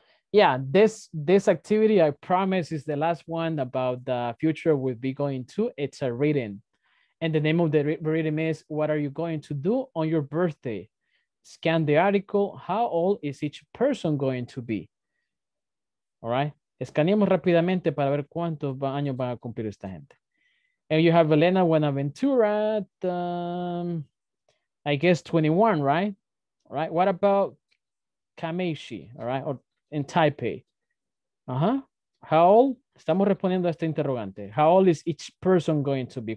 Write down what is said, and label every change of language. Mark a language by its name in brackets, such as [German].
[English] This activity, I promise, is the last one about the future we'll be going to. It's a reading. And the name of the reading is, what are you going to do on your birthday? Scan the article, how old is each person going to be? All right? [Spanish] Escaneemos rápidamente para ver cuántos años van a cumplir esta gente. [English] And you have Elena Buenaventura, I guess 21, right? All right. What about Kameishi, all right? Or in Taipei? Uh-huh. How old? [Spanish] Estamos respondiendo a este interrogante. [English] How old is each person going to be?